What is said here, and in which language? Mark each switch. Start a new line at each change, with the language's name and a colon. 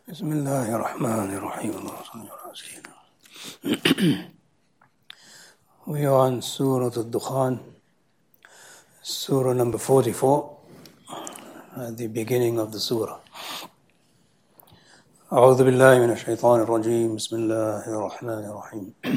Arabic: بسم الله الرحمن الرحيم اللهم صل على سيدنا.
English: We are on Surah Al-Dukhan, Surah number 44, at the beginning of the Surah.
Arabic: أعوذ بالله من الشيطان الرجيم بسم الله الرحمن الرحيم.